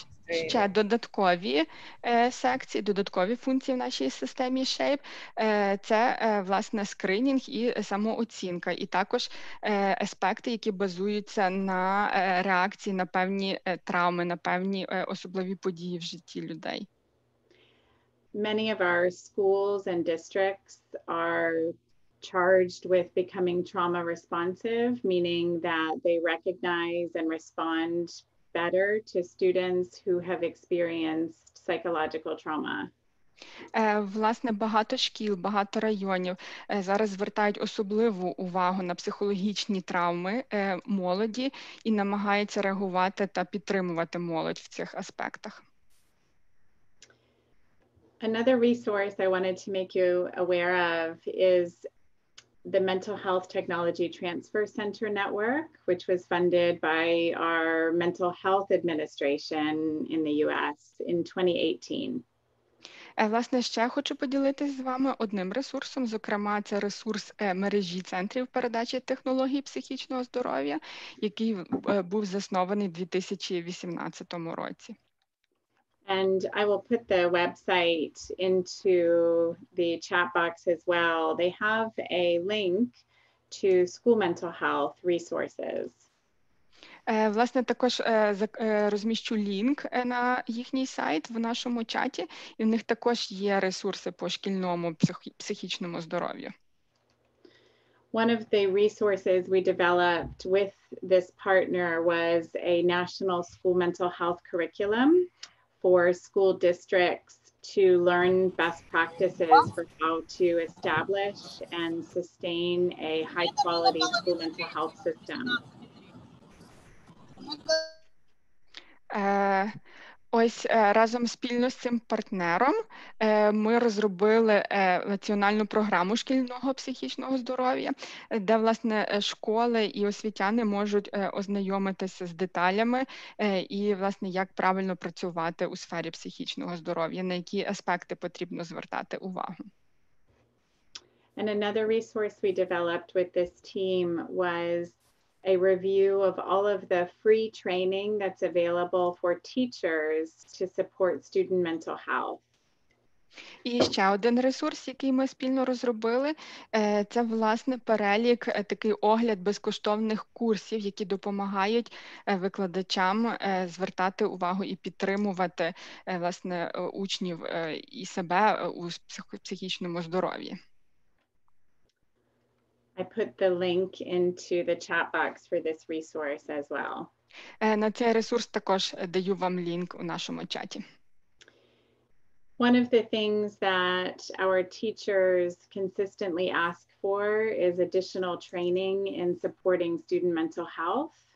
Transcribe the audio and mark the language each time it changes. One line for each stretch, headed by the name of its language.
Ukrainian: ще додаткові секції, додаткові функції в нашій системі SHAPE. Це, власне, скринінг і самооцінка, і також аспекти, які базуються на реакції на певні травми, на певні особливі події в житті людей.
English: Many of our schools and districts are charged with becoming trauma responsive, meaning that they recognize and respond better to students who have experienced psychological trauma.
Ukrainian: Власне, багато шкіл, багато районів зараз звертають особливу увагу на психологічні травми молоді і намагаються реагувати та підтримувати молодь в цих аспектах.
English: Another resource I wanted to make you aware of is the Mental Health Technology Transfer Center Network, which was funded by our Mental Health Administration in the US in 2018.
Ukrainian: Власне, ще хочу поділитися з вами одним ресурсом, зокрема, це ресурс мережі центрів передачі технологій психічного здоров'я, який був заснований у 2018 році.
English: And I will put the website into the chat box as well. They have a link to school mental health resources.
Ukrainian: Власне, також розміщу лінк на їхній сайт в нашому чаті, і в них також є ресурси по шкільному психічному здоров'ю.
English: One of the resources we developed with this partner was a national school mental health curriculum for school districts to learn best practices for how to establish and sustain a high quality school mental health system.
Ukrainian: Ось разом спільно з цим партнером ми розробили національну програму шкільного психічного здоров'я, де, власне, школи і освітяни можуть ознайомитися з деталями і, власне, як правильно працювати у сфері психічного здоров'я, на які аспекти потрібно звертати увагу.
English: And another resource we developed with this team was a review of all of the free training that's available for teachers to support student mental health.
Ukrainian: І ще один ресурс, який ми спільно розробили, це, власне, перелік, такий огляд безкоштовних курсів, які допомагають викладачам звертати увагу і підтримувати, власне, учнів і себе у психічному здоров'ї.
English: I put the link into the chat box for this resource as well.
Ukrainian: На цей ресурс також даю вам лінк у нашому чаті.
English: One of the things that our teachers consistently ask for is additional training in supporting student mental health.